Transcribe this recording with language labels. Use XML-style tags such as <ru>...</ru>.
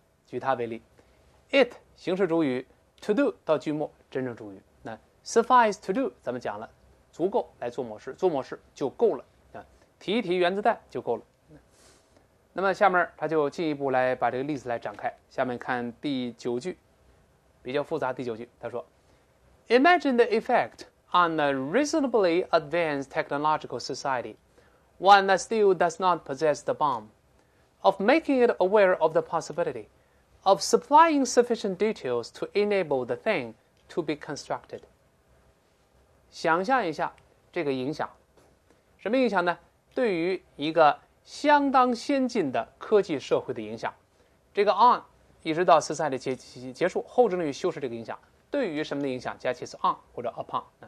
<zh>举它为例， it 形式主语， to do 到句末真正主语，suffice to do 咱们讲了足够来做某事，做某事就够了，提一提原子弹就够了。那么下面他就进一步来把这个例子来展开，下面看第九句，比较复杂。第九句他说</zh> <en>Imagine the effect on a reasonably advanced technological society, one that still does not possess the bomb, of making it aware of the possibility of supplying sufficient details to enable the thing to be constructed。</en> <zh>想象一下这个影响，什么影响呢？对于一个相当先进的科技社会的影响。这个 on 一直到society结束后置定语修饰这个影响，对于什么的影响加其词 on 或者 upon。</zh>